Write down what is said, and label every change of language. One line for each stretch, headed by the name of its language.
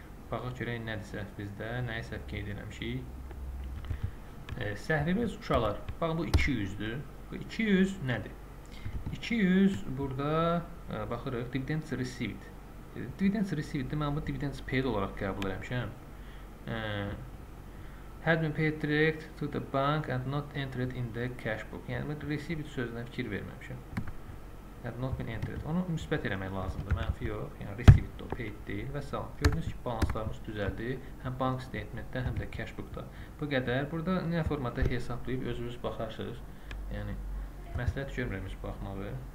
Azerbaijani: Baxaq görək nədir səhv bizdə? Nəyə səhv qeyd eləmişik? Səhvimiz uşaqlar. Baxın bu 200-dür. Bu 200 nədir? 200 burada baxırıq
English: dividends received. Dividends received
Azerbaijani: mən bu
English: dividends paid
Azerbaijani: olaraq qəbul edəmişəm.
English: Had been paid direct to the bank and not entered in the cash book.
Azerbaijani: Yəni mən received sözünə fikir verməmişəm.
English: Had not been entered.
Azerbaijani: Onu müsbət eləmək lazımdır. Mənfi yox. Yəni received deyil, paid deyil və s. Gördünüz ki, balanslarımız düzəldi. Həm bank statementdə, həm də cash book-da. Bu qədər. Burada nə formada hesablayıb özünüz baxarsınız. Yəni məsləhət görmürəm bu baxmağı.